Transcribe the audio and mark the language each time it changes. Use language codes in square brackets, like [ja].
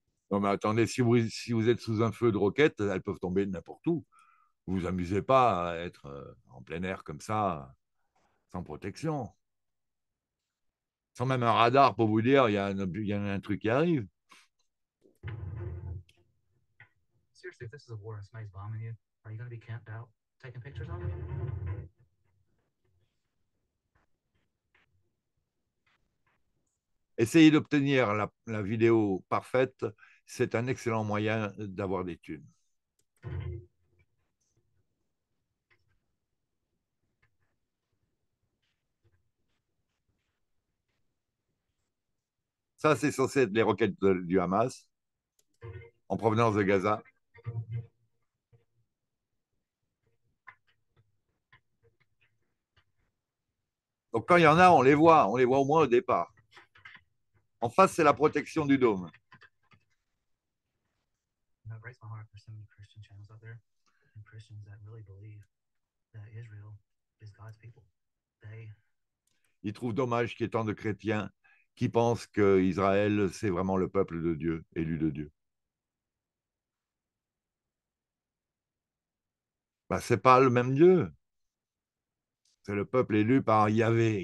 [fr] Non mais attendez, si vous êtes sous un feu de roquettes, elles peuvent tomber n'importe où. Vous amusez pas à être en plein air comme ça, sans protection. Sans même un radar pour vous dire, il y a un truc qui arrive. [en] Seriously, if this is a war and somebody's bombing you, are you going to be camped out, taking pictures of it? [fr] Essayez d'obtenir la vidéo parfaite c'est un excellent moyen d'avoir des thunes. Ça, c'est censé être les roquettes du Hamas en provenance de Gaza. Donc quand il y en a, on les voit au moins au départ. En face, c'est la protection du dôme. [en] That breaks my heart for so many Christian channels out there and Christians that really believe that Israel is God's people. They... [fr] Ils trouvent dommage qu'il y ait tant de chrétiens qui pensent que Israël, c'est vraiment le peuple de Dieu, élu de Dieu. Ben, ce n'est pas le même Dieu. C'est le peuple élu par Yahvé.